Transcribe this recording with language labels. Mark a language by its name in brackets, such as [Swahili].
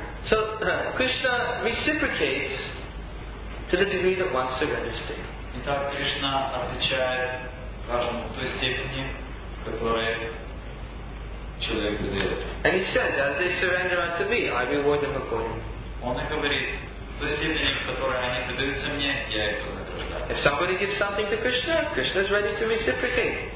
[English] So Krishna reciprocates to the degree that one surrenders to him. [Russian] Итак, Кришна отвечает каждому в той степени, которая [English] And he said, as they surrender unto me, I reward them accordingly. [Russian] Он говорит, то степень, в которой они предаются мне, я их вознаграждаю. [English] If somebody gives something to Krishna, Krishna is ready to reciprocate.